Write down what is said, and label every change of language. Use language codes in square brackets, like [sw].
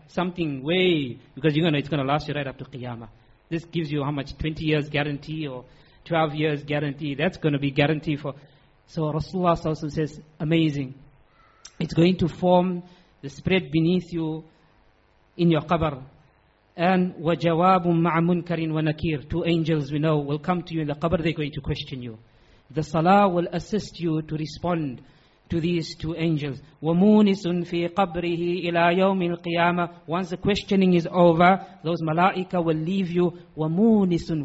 [en] Something way, because it's going to last you right up to Qiyamah. This gives you how much, 20 years guarantee or 12 years guarantee. That's going to be guarantee for. So Rasulullah SAW says, amazing. It's going to form the spread beneath you in your qabr. [ar] And وَجَوَابٌ مَعَ مُنْكَرٍ وَنَكِيرٍ. [en] Two angels we know will come to you in the qabr, they're going to question you. The salah will assist you to respond to these two angels. [ar] وَمُونِسٌ فِي قَبْرِهِ إِلَىٰ يَوْمِ الْقِيَامَةِ. [en] Once the questioning is over, those malaika will leave you. [ar] وَمُونِسٌ.